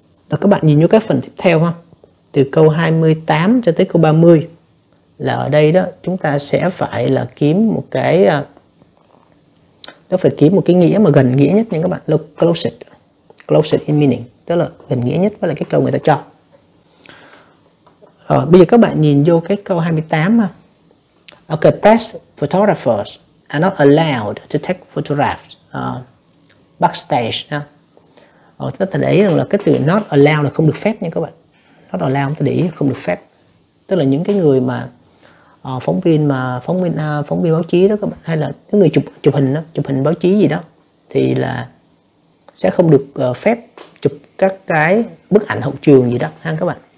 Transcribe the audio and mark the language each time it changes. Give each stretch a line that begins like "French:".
Vietnamese: Rồi các bạn nhìn vô cái phần tiếp theo ha, từ câu 28 cho tới câu 30 là ở đây đó chúng ta sẽ phải là kiếm một cái, nó phải kiếm một cái nghĩa mà gần nghĩa nhất nha các bạn,
English: closest, closest in meaning,
Vietnamese: tức là gần nghĩa nhất với lại cái câu người ta cho. Rồi bây giờ các bạn nhìn vô cái câu 28 ha.
English: Okay, press photographers are not allowed to take photographs backstage.
Vietnamese: Chúng ta để ý là cái từ not allowed là không được phép nha các bạn. Not allowed chúng ta để ý không được phép. Tức là những cái người mà phóng viên báo chí đó các bạn, hay là cái người chụp hình đó, chụp hình báo chí gì đó thì là sẽ không được phép chụp các cái bức ảnh hậu trường gì đó ha các bạn.